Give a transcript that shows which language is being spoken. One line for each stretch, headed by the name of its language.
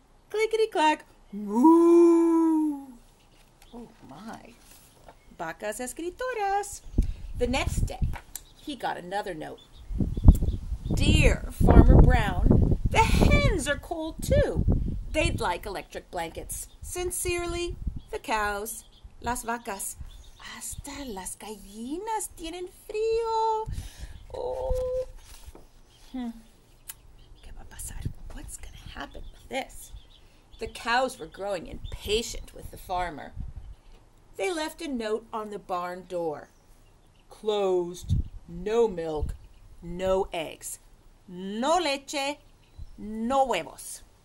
English: Clickety clack, moo. Oh my.
Spanish: Vacas escritoras.
English: The next day, he got another note. Dear Farmer Brown, the hens are cold too. They'd like electric blankets. Sincerely, the cows. Las vacas.
Spanish: Hasta las gallinas tienen frío. Oh. ¿Qué va a pasar?
English: What's going to happen with this? The cows were growing impatient with the farmer. They left a note on the barn door. Closed. No milk. No eggs.
Spanish: No leche. No huevos.